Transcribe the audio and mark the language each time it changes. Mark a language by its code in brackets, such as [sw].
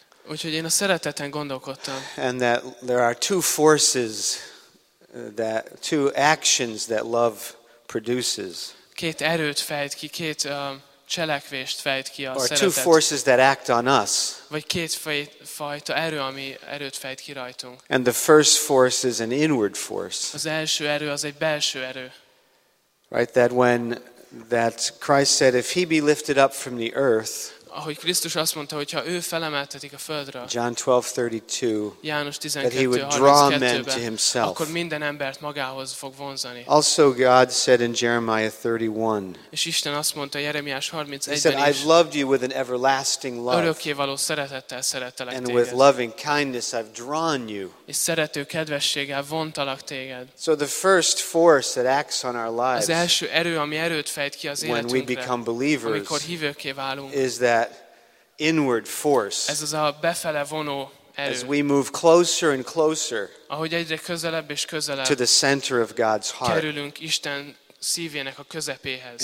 [hu] Úgyhogy én a szereteten gondolkodtam. [en] And that there are two forces, that two actions that love produces. [hu] Két erőt fejt ki, két cselekvést fejt ki a [en] Or [hu] szeretet. [en] Or two forces that act on us. [hu] Vagy két fajta erő, ami erőt fejt ki rajtunk. [en] And the first force is an inward force. [hu] Az első erő az egy belső erő. [en] Right, that when that Christ said, if he be lifted up from the earth. [hu] Ahogy Krisztus azt mondta, hogyha ő felemeltetik a földre. János 12:32. Akkor minden embert magához fog vonzani. [en] Also God said in Jeremiah 31. [hu] És Isten azt mondta Jeremiás 31-ben is. [en] He said, I've loved you with an everlasting love. [hu] Örökkévaló szeretettel szerettelek téged. [en] And with loving kindness I've drawn you. [hu] És szerető kedvességgel vontalak téged. [en] So the first force that acts on our lives. [hu] Az első erő, ami erőt fejt ki az életünkre. [en] When we become believers. [hu] Amikor hívőkké válunk. [en] Is that inward force [hu] Ez az a befele vonó erő, [en] as we move closer and closer [hu] ahogy egyre közelebb és közelebb [en] to the center of God's heart [hu] kerülünk Isten szívének a közepéhez